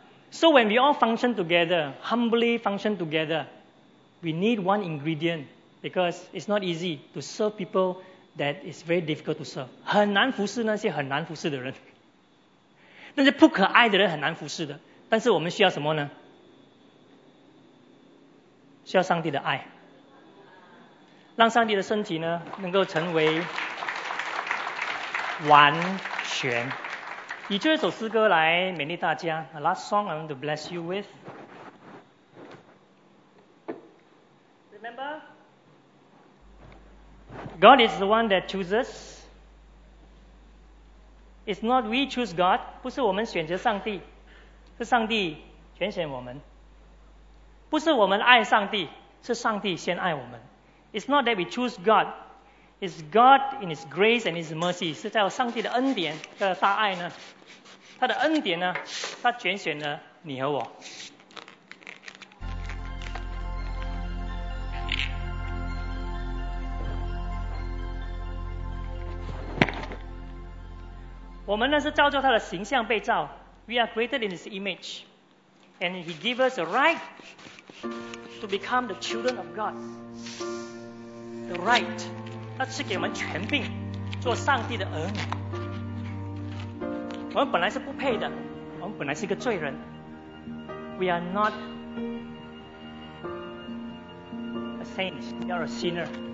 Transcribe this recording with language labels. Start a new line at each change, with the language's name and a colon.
English: So when we all function together, humbly function together, we need one ingredient because it's not easy to serve people that is very difficult to serve.
Chinese: 很难服侍那些很难服侍的人，那些不可爱的人很难服侍的。但是我们需要什么呢？需要上帝的爱， 让上帝的身体呢， 能够成为完全。以这首诗歌来勉励大家，
English: a last song I want to bless you with. Remember, God is the one that chooses. It's not we choose God,
Chinese: 不是我们选择上帝， 是上帝选选我们。不是我们爱上帝， 是上帝先爱我们。
English: It's not that we choose God, it's God in His grace and His mercy.
Chinese: 是在上帝的恩典的大爱呢， 他的恩典呢， 他拣选了你和我。我们呢是照着他的形象被造，
English: We are created in His image, and He gave us a right to become the children of God. The right.
Chinese: 他赐给我们权柄， 做上帝的儿女。我们本来是不配的， 我们本来是一个罪人。
English: We are not a saint, we are a sinner.